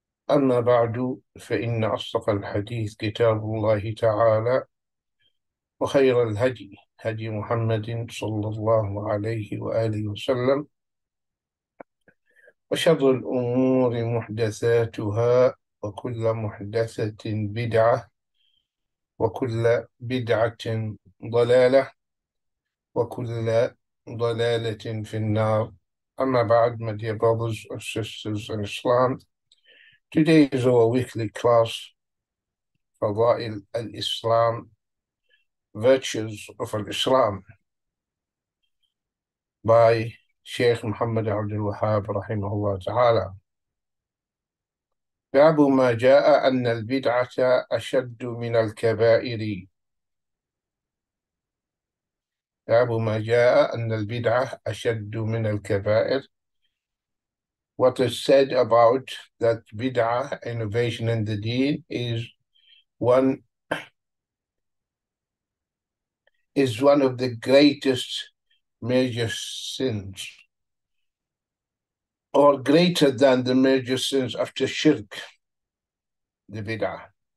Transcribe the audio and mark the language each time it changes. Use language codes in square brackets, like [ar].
[ar] أما بعد، فإن أصدق الحديث كتاب الله تعالى، وخير الهدي هدي محمد صلى الله عليه وآله وسلم، وشر الأمور محدثاتها، وكل محدثة بدعة، وكل بدعة ضلالة، وكل ضلالة في النار. أما بعد، [en] my dear brothers and sisters in Islam, today is our weekly class, [ar] فضائل الإسلام, [en] Virtues of Islam, by Sheikh Muhammad Abd al-Wahhab [ar] رحمه الله تعالى. باب ما جاء أن البدعة أشد من الكبائر. باب ما جاء أن البدعة أشد من الكبائر. [en] What is said about that bid'ah, innovation in the deen, is one of the greatest major sins, or greater than the major sins after shirk, the bid'ah.